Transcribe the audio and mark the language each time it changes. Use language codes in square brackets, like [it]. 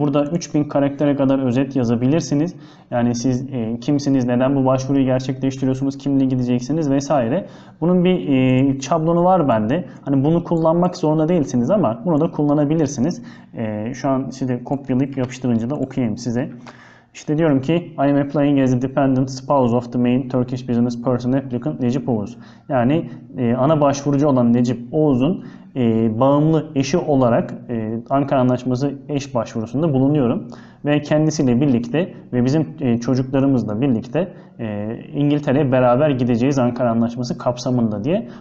[tr] Burada 3000 karaktere kadar özet yazabilirsiniz. Yani siz kimsiniz, neden bu başvuruyu gerçekleştiriyorsunuz, kimle gideceksiniz vesaire. Bunun bir şablonu var bende. Hani bunu kullanmak zorunda değilsiniz ama bunu da kullanabilirsiniz. Şu an size kopyalayıp yapıştırınca da okuyayım size. İşte diyorum ki [en] I am applying as a dependent spouse of the main Turkish business person applicant Necip Oğuz. [tr] Yani ana başvurucu olan Necip Oğuz'un bağımlı eşi olarak Ankara Anlaşması eş başvurusunda bulunuyorum. Ve kendisiyle birlikte ve bizim çocuklarımızla birlikte İngiltere'ye beraber gideceğiz Ankara Anlaşması kapsamında diye.